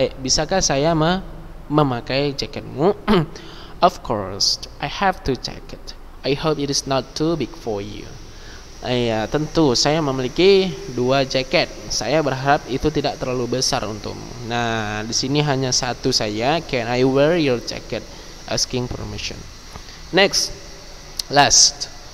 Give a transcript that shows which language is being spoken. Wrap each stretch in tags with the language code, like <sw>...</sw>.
<id>Bisakah saya memakai jaketmu?</id> <en>Of course, I have to jacket. I hope it is not too big for you.</en> <id>Tentu saya memiliki dua jaket. Saya berharap itu tidak terlalu besar untukmu. Nah, di sini hanya satu saja.</id> <en>Can I wear your jacket? Asking permission. Next, last.</en>